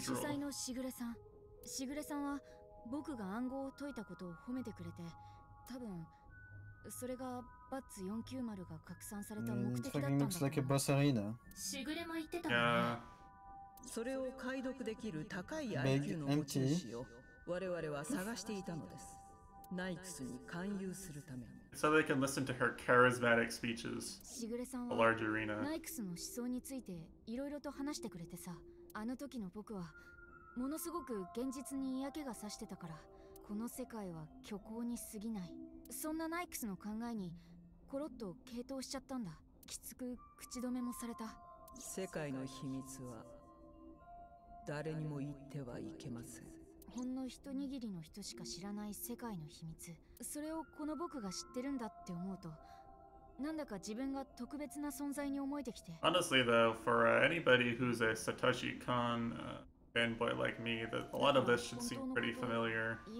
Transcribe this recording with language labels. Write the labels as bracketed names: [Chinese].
[Japanese] 主催のシグレさん、シグレさんは僕が暗号を解いたことを褒めてくれて、多分それがバッツ490が拡散された目的だったんだけど。シグレも言ってたね。それを解読できる高い IQ の持ち主を我々は探していたのです。ナイクスに勧誘するために。 [English] So they can listen to her charismatic speeches. [Japanese] シグレさんはナイクスの思想についていろいろと話してくれてさ、あの時の僕はものすごく現実に嫌気がさしてたから、この世界は虚構に過ぎない。そんなナイクスの考えにコロッと傾倒しちゃったんだ。きつく口止めもされた。世界の秘密は誰にも言ってはいけません。ほんの一握りの人しか知らない世界の秘密、それをこの僕が知ってるんだって思うと、なんだか自分が特別な存在に思えてきて。 [English] Honestly though, for anybody who's a Satoshi Kon fanboy like me, that a lot of this should seem pretty familiar.